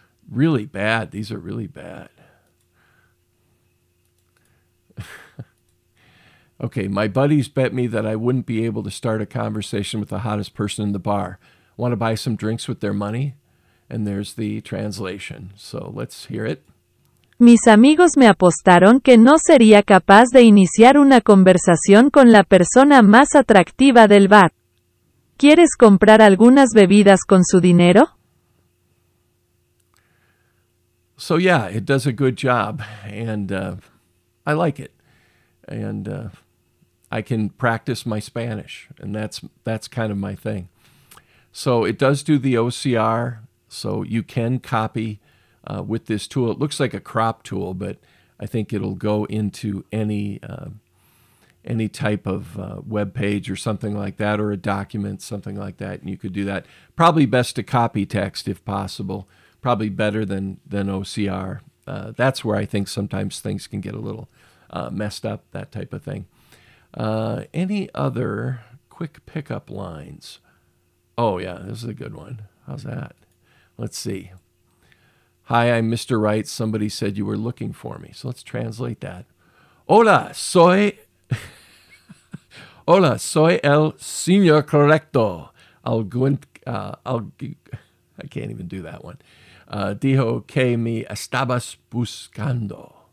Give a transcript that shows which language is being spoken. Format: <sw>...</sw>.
<en>Really bad. These are really bad. Okay, my buddies bet me that I wouldn't be able to start a conversation with the hottest person in the bar. Want to buy some drinks with their money? And there's the translation. So let's hear it.</en> <es>Mis amigos me apostaron que no sería capaz de iniciar una conversación con la persona más atractiva del bar. ¿Quieres comprar algunas bebidas con su dinero?</es> <en>So yeah, it does a good job, and I like it, and I can practice my Spanish, and that's kind of my thing. So it does do the OCR, so you can copy with this tool. It looks like a crop tool, but I think it'll go into any type of web page or something like that, or a document, something like that, and you could do that. Probably best to copy text if possible. Probably better than OCR. That's where I think sometimes things can get a little messed up, that type of thing. Any other quick pickup lines? Oh, yeah, this is a good one. How's that? Let's see. Hi, I'm Mr. Wright. Somebody said you were looking for me. So let's translate that.</en> <es>Hola, soy... Hola, soy el señor correcto.</es> <en>I can't even do that one.</en> <es>Dijo que me estabas buscando.</es>